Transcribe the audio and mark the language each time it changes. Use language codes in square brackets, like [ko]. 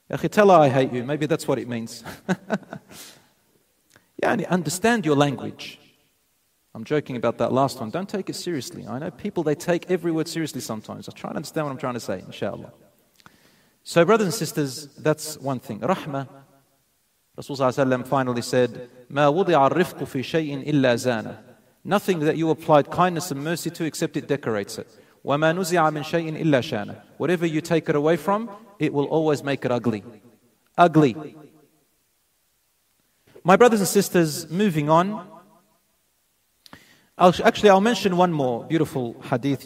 [en] Tell her I hate you. Maybe that's what it means. Yeah, and understand your language. I'm joking about that last one. Don't take it seriously. I know people, they take every word seriously sometimes. I try to understand what I'm trying to say, inshallah. So brothers and sisters, that's one thing. Rahmah, Rasulullah ﷺ finally said, [ar] مَا وُضِعَ الرِّفْقُ فِي شَيْءٍ إِلَّا زَانَ. [en] Nothing that you applied kindness and mercy to except it decorates it. [ar] وَمَا نُزِعَ مِنْ شَيْءٍ إِلَّا شَانَ. [en] Whatever you take it away from, it will always make it ugly. Ugly. My brothers and sisters, moving on. I'll mention one more beautiful hadith.